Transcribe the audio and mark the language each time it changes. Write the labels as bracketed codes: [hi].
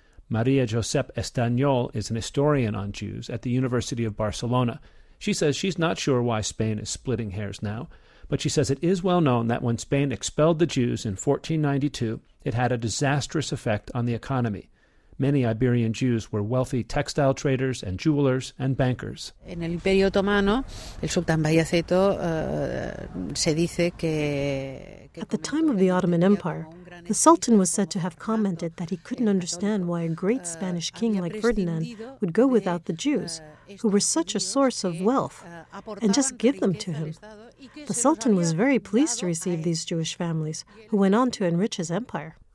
[en] Maria Josep Estanyol is an historian on Jews at the University of Barcelona. She says she's not sure why Spain is splitting hairs now. But she says it is well known that when Spain expelled the Jews in 1492, it had a disastrous effect on the economy. Many Iberian Jews were wealthy textile traders and jewelers and bankers. [es] En el Imperio Otomano, el Sultán Bayaceto se dice que... [en] At the time of the Ottoman Empire, the Sultan was said to have commented that he couldn't understand why a great Spanish king like Ferdinand would go without the Jews, who were such a source of wealth, and just give them to him. The Sultan was very pleased to receive these Jewish families, who went on to enrich his empire.